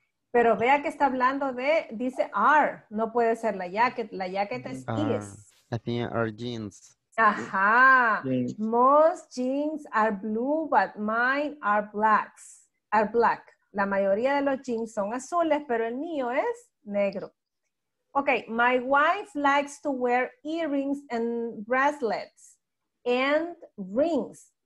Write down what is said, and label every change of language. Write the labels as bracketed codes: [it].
[es] Pero vea que está hablando de, dice are, no puede ser la jacket. La jacket es [en] is. I think are jeans. [es] Ajá. Jeans. [en] Most jeans are blue, but mine are blacks. Are black. [es] La mayoría de los jeans son azules, pero el mío es negro. [en] Okay, my wife likes to wear earrings and bracelets and rings.